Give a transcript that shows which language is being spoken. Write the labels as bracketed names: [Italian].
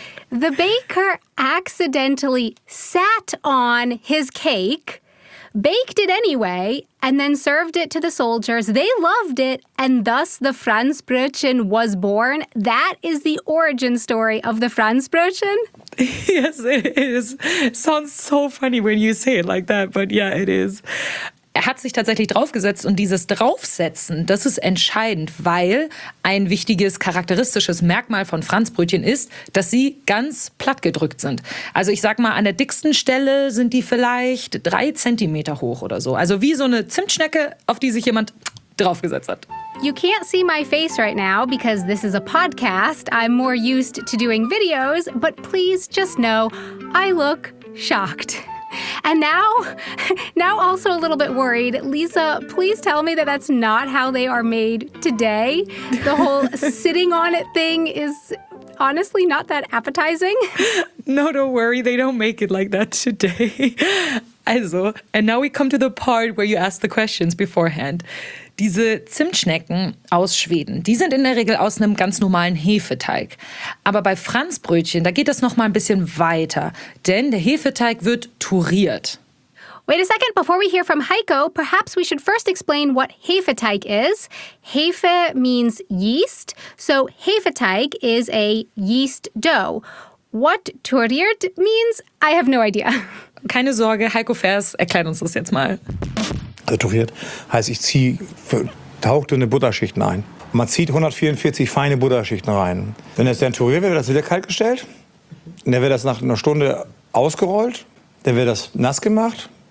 [English] The baker accidentally sat on his cake, baked it anyway, and then served it to the soldiers. They loved it, and thus the Franzbrötchen was born. That is the origin story of the Franzbrötchen. Yes, it is. Sounds so funny when you say it like that, but yeah, it is. [German] Er hat sich tatsächlich draufgesetzt und dieses Draufsetzen, das ist entscheidend, weil ein wichtiges charakteristisches Merkmal von Franzbrötchen ist, dass sie ganz platt gedrückt sind. Also ich sag mal, an der dicksten Stelle sind die vielleicht 3 Zentimeter hoch oder so. Also wie so eine Zimtschnecke, auf die sich jemand draufgesetzt hat. [English] You can't see my face right now because this is a podcast. I'm more used to doing videos, but please just know I look shocked. And now also a little bit worried. Lisa, please tell me that that's not how they are made today. The whole sitting on it thing is honestly not that appetizing. No, don't worry. They don't make it like that today. Also, and now we come to the part where you ask the questions beforehand. [German] Diese Zimtschnecken aus Schweden, die sind in der Regel aus einem ganz normalen Hefeteig. Aber bei Franzbrötchen, da geht das noch mal ein bisschen weiter, denn der Hefeteig wird touriert. [English] Wait a second, before we hear from Heiko, perhaps we should first explain what Hefeteig is. Hefe means yeast, so Hefeteig is a yeast dough. What touriert means, I have no idea. [German] Keine Sorge, Heiko Fers erklärt uns das jetzt mal. Also touriert heißt, ich ziehe tauchdünne Butterschichten ein. Man zieht 144 feine Butterschichten rein. Wenn es dann touriert wird, wird das wieder kaltgestellt. Dann wird das nach einer Stunde ausgerollt. Dann wird das nass gemacht.